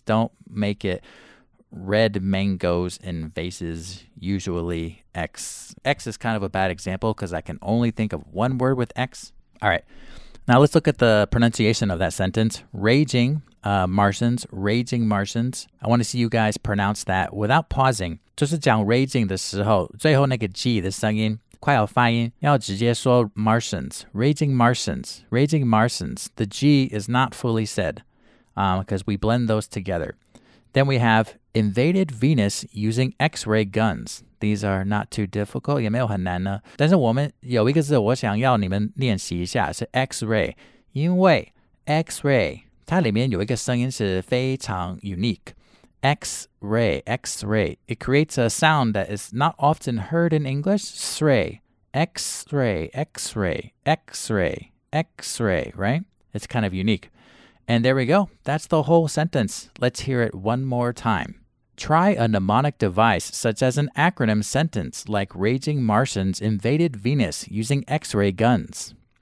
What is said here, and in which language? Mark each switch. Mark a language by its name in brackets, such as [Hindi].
[English] Don't make it red mangoes in vases, usually X. X is kind of a bad example because I can only think of one word with X. All right. Now let's look at the pronunciation of that sentence. Raging Martians, raging Martians. I want to see you guys pronounce that without pausing. [Chinese] 就是讲 raging的时候, 最后那个G的声音, 快要发音, 要直接说 Martians, [English] raging Martians, raging Martians. The G is not fully said because we blend those together. Then we have invaded Venus using X-ray guns. These are not too difficult. [Chinese] 也没有很难呢. 但是我们有一个字我想要你们练习一下, 是 X-ray, 因为 X-ray, 它里面有一个声音是非常 unique. [English] X-ray, X-ray. It creates a sound that is not often heard in English. X-ray, X-ray, X-ray, X-ray, X-ray, right? It's kind of unique. And there we go. That's the whole sentence. Let's hear it one more time. Try a mnemonic device such as an acronym sentence like raging Martians invaded Venus using X-ray guns.